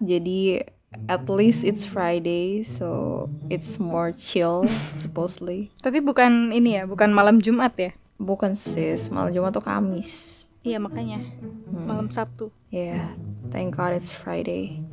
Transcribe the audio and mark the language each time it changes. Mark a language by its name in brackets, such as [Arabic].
[English] Jadi at least it's Friday, so it's more chill supposedly. [Indonesian] Tapi bukan ini ya, bukan malam Jumat ya? Bukan sis, malam Jumat tuh Kamis. Iya makanya, malam Sabtu. [English] Ya, yeah, thank God it's Friday.